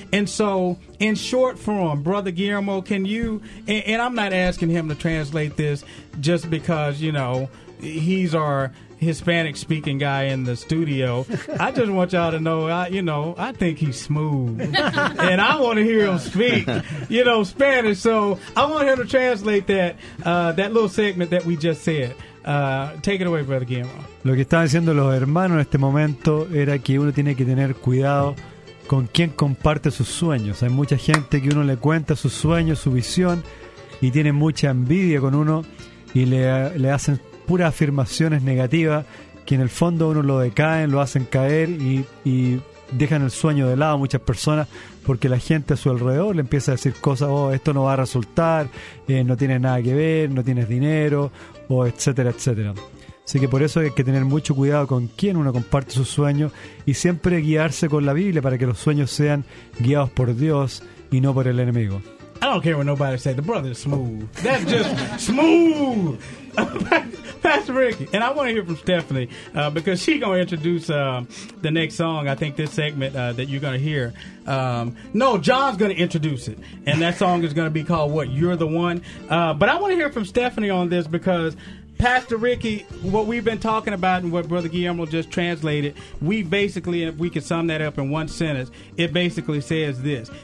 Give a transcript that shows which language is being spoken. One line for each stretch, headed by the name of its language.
English: And so, in short form, Brother Guillermo, can you, and I'm not asking him to translate this just because, you know, he's our Hispanic speaking guy in the studio. I just want y'all to know, I think he's smooth and I want to hear him speak, you know, Spanish. So I want him to translate that, that little segment that we just said. Take it away, Brother Guillermo.
Spanish: Lo que estaban diciendo los hermanos en este momento era que uno tiene que tener cuidado con quien comparte sus sueños. Hay mucha gente que uno le cuenta sus sueños, su visión, y tiene mucha envidia con uno y le hacen puras afirmaciones negativas que en el fondo uno lo decaen, lo hacen caer y dejan el sueño de lado a muchas personas porque la gente a su alrededor le empieza a decir cosas, oh, esto no va a resultar, no tiene nada que ver, no tienes dinero, o etcétera, etcétera. Así que por eso hay que tener mucho cuidado con quién uno comparte sus sueños y siempre guiarse con la Biblia para que los sueños sean guiados por Dios y no por el enemigo.
English: I don't care what nobody said. The brother is smooth. That's just smooth. Pastor Ricky, and I want to hear from Stephanie because she's going to introduce the next song, I think, this segment that you're going to hear. No, John's going to introduce it, and that song is going to be called What, You're the One? But I want to hear from Stephanie on this because, Pastor Ricky, what we've been talking about and what Brother Guillermo just translated, we basically, if we could sum that up in one sentence, it basically says this.